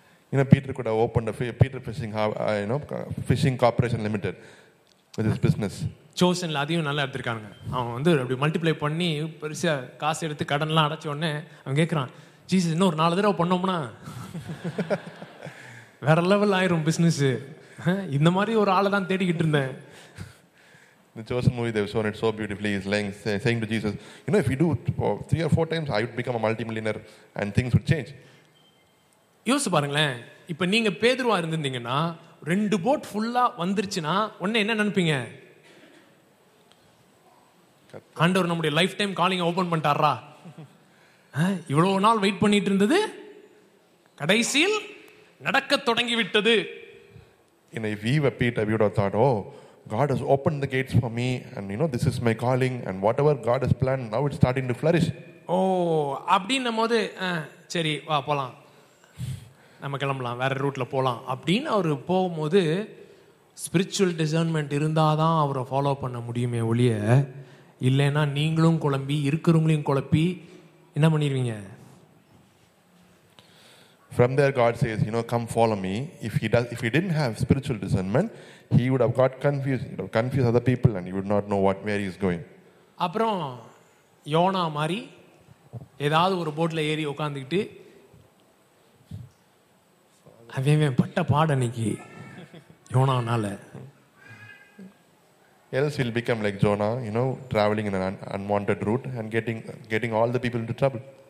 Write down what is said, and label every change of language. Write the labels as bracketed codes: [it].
[en] you know, Peter could have opened a Peter Fishing, you know, Fishing Corporation Limited with his business. [ta] சோசன்ல அதையும் நல்லா எடுத்திருக்காங்க. அவன் வந்து அப்படி மல்டிப்ளை பண்ணி பெருசா காசு எடுத்து கடன்லாம் அடைச்ச உடனே அவன் கேட்கறான், ஜீசஸ் இன்னொரு 4 தடவை பண்ணோம்னா வேற லெவல் ஆயிரும் பிசினஸ். இந்த மாதிரி ஒரு ஆளை தான் தேடிக்கிட்டு இருந்தேன். [en] The chosen movie, they've shown it so beautifully. He's lying, saying to Jesus, you know, if you do it for 3 or 4 times, I would become a multimillionaire and things would change. [ta] யோசிச்சு பாருங்களேன், இப்ப நீங்க பேதுருவா இருந்திருந்தீங்கன்னா 2 boat ஃபுல்லா வந்துருச்சுன்னா உடனே என்ன நினைப்பீங்க? ஆண்டவர் நம்முடைய லைஃப் டைம் காலிங் ஓபன் பண்ணிட்டாரா? இவ்வளவு நாள் வெயிட் பண்ணிட்டு இருந்தது கடைசியில் நடக்க தொடங்கி விட்டது. [en] In a Viva Peter, we would have thought, oh, God has opened the gates for me, and you know, this is my calling, and whatever God has planned, now it's starting to flourish. [ta] Oh, அப்படின்னும் போது சரி வா போலாம், நம்ம கிளம்பலாம், வேற ரூட்ல போலாம் அப்படின்னு அவரு போகும்போது ஸ்பிரிச்சுவல் டிசர்ன்மெண்ட் இருந்தாதான் அவரை ஃபாலோ பண்ண முடியுமே ஒழிய, இல்லைனா நீங்களும் குழம்பி இருக்கிறவங்களையும் குழப்பி என்ன பண்ணிடுவீங்க? [en] From there, God says, you know, come follow me. If he does, if he didn't have spiritual discernment, he would have got confused. He would have confused other people and he would not know where he is going. [ta] அப்புறம் YONO மாதிரி ஏதாவது ஒரு போட்டில் ஏறி உட்காந்துக்கிட்டு அவன் பட்ட பாட அன்னைக்கு யோனானால. [en] Else he'll become like Jonah, you know, traveling in an unwanted route and getting all the people into trouble.